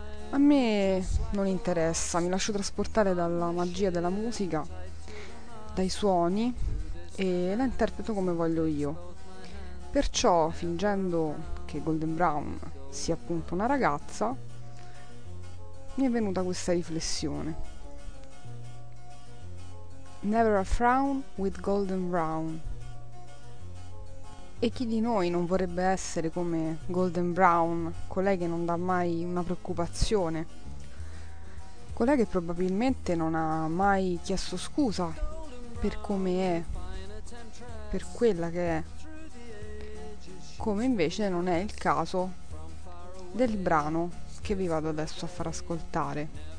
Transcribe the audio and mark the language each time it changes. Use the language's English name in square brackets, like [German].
[Italian] A me non interessa, mi lascio trasportare dalla magia della musica, dai suoni, e la interpreto come voglio io. Perciò, fingendo che Golden Brown sia appunto una ragazza, mi è venuta questa riflessione. [English] Never a frown with golden brown. [Italian] E chi di noi non vorrebbe essere come Golden Brown, colei che non dà mai una preoccupazione, colei che probabilmente non ha mai chiesto scusa per come è, per quella che è, come invece non è il caso del brano che vi vado adesso a far ascoltare.